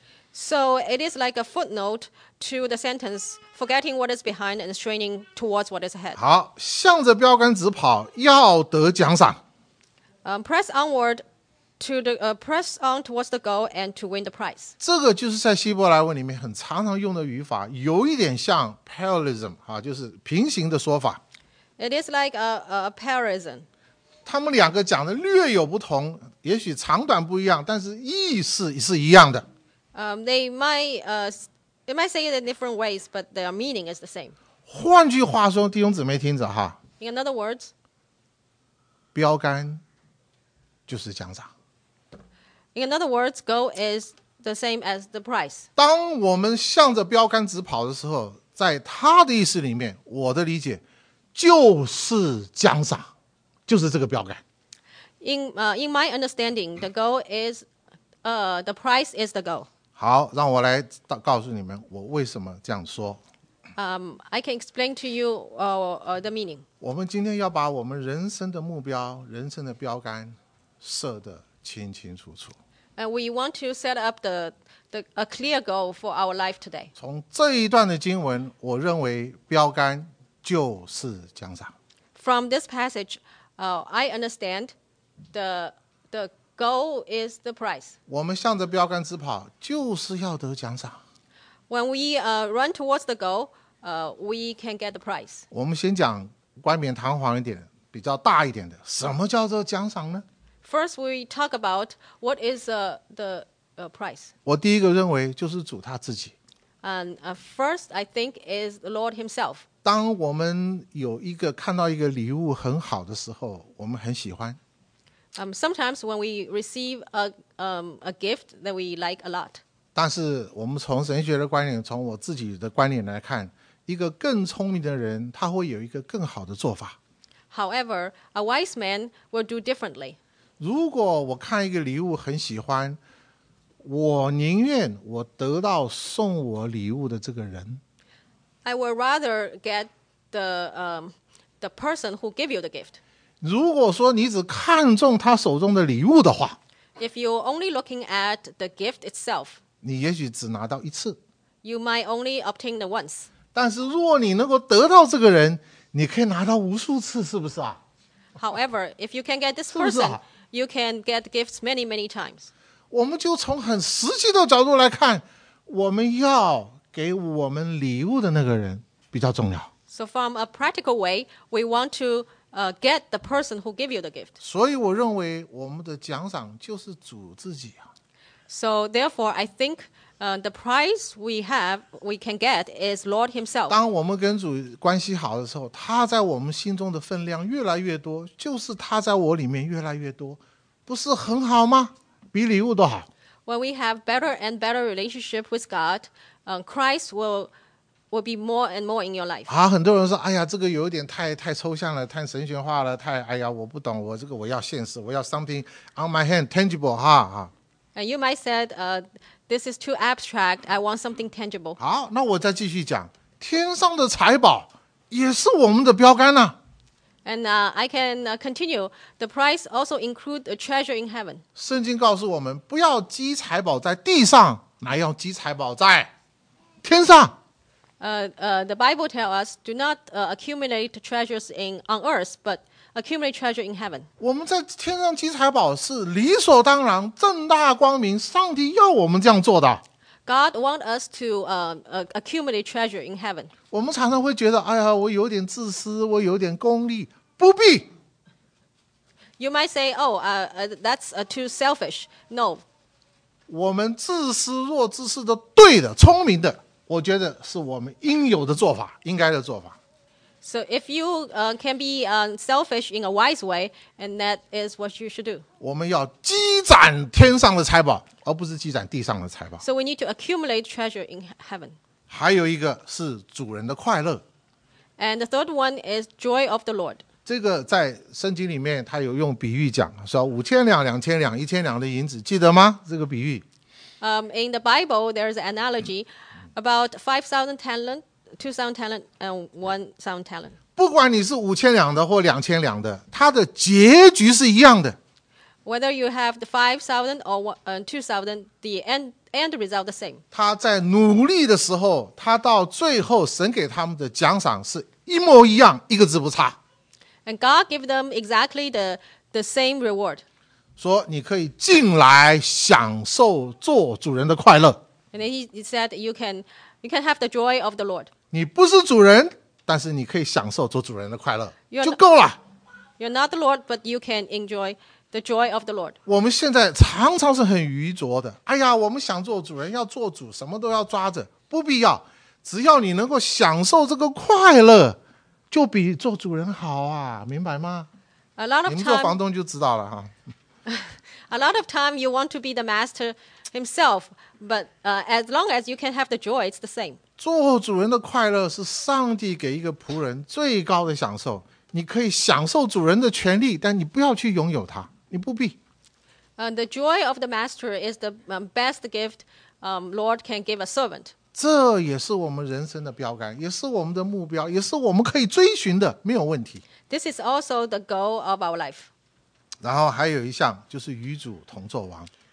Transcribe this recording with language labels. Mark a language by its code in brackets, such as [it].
[en] So it is like a footnote to the sentence, forgetting what is behind and straining towards what is ahead. [zh] 好，向着标杆直跑，要得奖赏。 [en] Press onward to the press on towards the goal and to win the prize. [zh] 这个就是在希伯来文里面很常常用的语法，有一点像 parallelism 啊，就是平行的说法。 [en] It is like a parallelism. [zh] 他们两个讲的略有不同，也许长短不一样，但是意思是一样的。 [en] They might say it in different ways, but their meaning is the same. [zh] 换句话说，弟兄姊妹听着哈。 [en] In other words, [zh] 标杆就是奖赏。 [en] In other words, goal is the same as the prize. [zh] 当我们向着标杆直跑的时候，在他的意思里面，我的理解就是奖赏，就是这个标杆。 [en] In my understanding, the goal is, the prize is the goal. [zh] 好，让我来告诉你们我为什么这样说。 [en] I can explain to you the meaning. [zh] 我们今天要把我们人生的目标、人生的标杆设得清清楚楚。 [en] And we want to set up a clear goal for our life today. [zh] 从这一段的经文，我认为标杆就是奖赏。 [en] From this passage, I understand the goal is the prize. [zh] 我们向着标杆直跑，就是要得奖赏。 [en] When we run towards the goal, we can get the prize. [zh] 我们先讲冠冕堂皇一点、比较大一点的，什么叫做奖赏呢？ [en] First, we talk about what is the prize. [zh] 我第一个认为就是主他自己。 [en] And first, I think is the Lord Himself. [zh] 当我们有一个看到一个礼物很好的时候，我们很喜欢。 [en] Sometimes when we receive a gift that we like a lot. [zh] 但是我们从神学的观点，从我自己的观点来看，一个更聪明的人，他会有一个更好的做法。 [en] However, a wise man will do differently. [zh] 如果我看一个礼物很喜欢，我宁愿我得到送我礼物的这个人。 [en] I would rather get the person who gave you the gift. [zh] 如果说你只看中他手中的礼物的话 [en] ，If you're only looking at the gift itself， [zh] 你也许只拿到一次 [en] ，You might only obtain the once。 [zh] 但是若你能够得到这个人，你可以拿到无数次，是不是啊 [en] ？However, if you can get this person, [zh] 是不是啊？ [en] You can get gifts many, many times。 [zh] 我们就从很实际的角度来看，我们要给我们礼物的那个人比较重要。 [en] So from a practical way, we want to。 Get the person who gave you the gift. [zh] 所以我认为我们的奖赏就是主自己啊。 [en] So therefore, I think the prize we can get is Lord Himself. [zh] 当我们跟主关系好的时候，他在我们心中的分量越来越多，就是他在我里面越来越多，不是很好吗？比礼物都好。 [en] When we have better and better relationship with God, Christ will be more and more in your life. [zh] 啊，很多人说，哎呀，这个有点太抽象了，太神学化了，太，哎呀，我不懂，我这个我要现实，我要 [en] something on my hand, tangible, [zh] 哈啊。 [en] And you might said, this is too abstract, I want something tangible. [zh] 好，那我再继续讲，天上的财宝也是我们的标杆呢。 [en] And I can continue, the prize also include the treasure in heaven. [zh] 圣经告诉我们，不要积财宝在地上，乃要积财宝在天上。 [en] The Bible tells us, do not accumulate treasures on earth, but accumulate treasure in heaven. [zh] 我们在天上积财宝是理所当然，正大光明，上帝要我们这样做的。 [en] God wants us to accumulate treasure in heaven. [zh] 我们常常会觉得，哎呀，我有点自私，我有点功利，不必。 [en] You might say, oh, that's too selfish. No. [zh] 我们自私若自私的，对的，聪明的。我觉得是我们应有的做法，应该的做法。 [en] So if you can be selfish in a wise way, and that is what you should do. [zh] 我们要积攒天上的财宝，而不是积攒地上的财宝。 [en] So we need to accumulate treasure in heaven. [zh] 还有一个是主人的快乐。 [en] And the third one is joy of the Lord. [zh] 这个在圣经里面他有用比喻讲，说五千两、两千两、一千两的银子，记得吗？这个比喻。 [en] In the Bible, there is an analogy about 5,000 talent, 2,000 talent, and 1,000 talent. [zh] 不管你是五千两的或两千两的，它的结局是一样的。 [en] Whether you have the 5,000 or 2,000, the end result the same. [zh] 他在努力的时候，他到最后神给他们的奖赏是一模一样，一个字不差。 [en] And God gave them exactly the same reward. [zh] 说你可以进来享受做主人的快乐。 [en] And he said you can have the joy of the Lord. [zh] 你不是主人，但是你可以享受做主人的快乐，就够了。 [en] You're not the Lord, but you can enjoy the joy of the Lord. [zh] 我们现在常常是很愚拙的。哎呀，我们想做主人，要做主，什么都要抓着，不必要。只要你能够享受这个快乐，就比做主人好啊，明白吗？ [en] A lot of time, [zh] 你们做房东就知道了哈。 [en] A lot of time you want to be the master himself, but as long as you can have the joy, it's the same. [zh] 做主人的快乐是上帝给一个仆人最高的享受。你可以享受主人的权利，但你不要去拥有它，你不必。 [en] The joy of the master is the best gift Lord can give a servant. [zh] 这也是我们人生的标杆，也是我们的目标，也是我们可以追寻的，没有问题。 [en] This is also the goal of our life. [zh] 然后还有一项就是与主同作王。